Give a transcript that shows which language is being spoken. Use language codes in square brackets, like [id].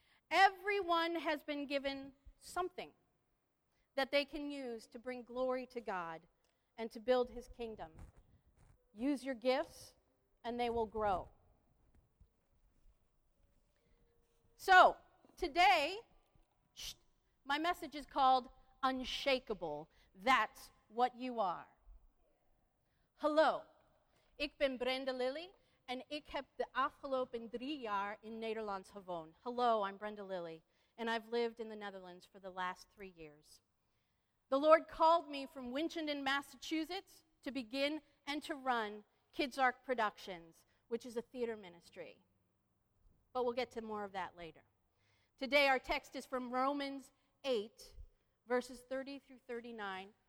[en] Everyone has been given something that they can use to bring glory to God and to build his kingdom. Use your gifts and they will grow. So, today, my message is called Unshakable. That's what you are. [nl] Hallo, ik ben Brenda Lilly, en ik heb de afgelopen 3 jaar in Nederlands gewoond. [en] Hello, I'm Brenda Lilly, and I've lived in the Netherlands for the last 3 years. The Lord called me from Winchendon, Massachusetts, to begin and to run Kids Ark Productions, which is a theater ministry. But we'll get to more of that later. Today, our text is from Romans 8, verses 30 through 39.